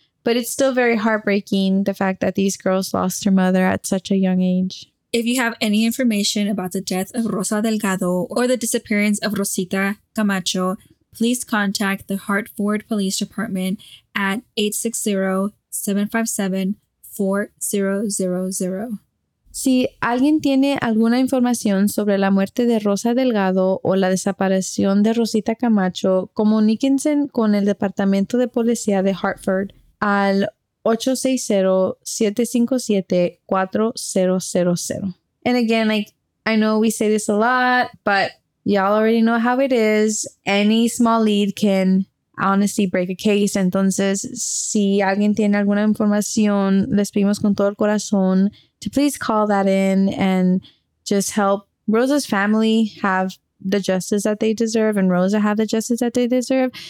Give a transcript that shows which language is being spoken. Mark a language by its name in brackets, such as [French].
[English] But it's still very heartbreaking, the fact that these girls lost their mother at such a young age. If you have any information about the death of Rosa Delgado or the disappearance of Rosita Camacho, please contact the Hartford Police Department at 860-757-4000. [Spanish] Si alguien tiene alguna información sobre la muerte de Rosa Delgado o la desaparición de Rosita Camacho, comuníquense con el Departamento de Policía de Hartford al 860-757-4000. [English] And again, like, I know we say this a lot, but y'all already know how it is. Any small lead can honestly break a case. [Spanish] Entonces, si alguien tiene alguna información, les pedimos con todo el corazón [English] to please call that in and just help Rosa's family have the justice that they deserve and Rosa have the justice that they deserve.